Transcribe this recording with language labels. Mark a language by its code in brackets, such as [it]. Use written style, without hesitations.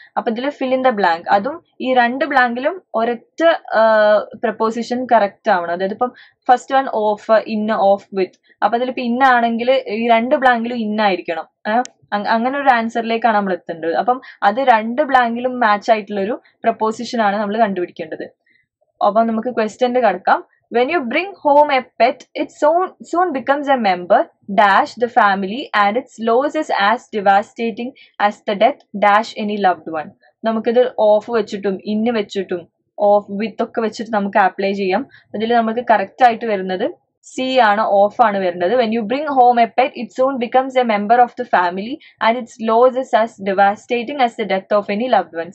[ml] അപ്പൊ ഇതിൽ fill in the blank, അതും ഈ രണ്ട് ബ്ലാങ്കിലും ഒരൊറ്റ പ്രപ്പോസിഷൻ കറക്റ്റ് ആവണം. അതായത് ഇപ്പം first one of, in off with. അപ്പൊ അതിൽ ഇപ്പൊ ഇന്നാണെങ്കിൽ ഈ രണ്ട് ബ്ലാങ്കിലും ഇന്നായിരിക്കണം. അങ്ങനെ ഒരു ആൻസറിലേക്കാണ് നമ്മൾ എത്തേണ്ടത്. അപ്പം അത് രണ്ട് ബ്ലാങ്കിലും മാച്ച് ആയിട്ടുള്ള ഒരു പ്രപ്പോസിഷൻ ആണ് നമ്മൾ കണ്ടുപിടിക്കേണ്ടത്. അപ്പം നമുക്ക് ക്വസ്റ്റ്യൻ കടക്കാം. [en] When you bring home a pet, it soon becomes a member, - the family, and its loss is as devastating as the death, - any loved one. [ml] നമുക്കിതിൽ ഓഫ് വെച്ചിട്ടും ഇന്ന് വെച്ചിട്ടും ഓഫ് വിത്ത് ഒക്കെ വെച്ചിട്ട് നമുക്ക് അപ്ലൈ ചെയ്യാം. അതിൽ നമുക്ക് കറക്റ്റ് ആയിട്ട് വരുന്നത് സി ആണ്, ഓഫ് ആണ് വരുന്നത്. [en] When you bring home a pet it soon becomes a member of the family and its loss is as devastating as the death of any loved one.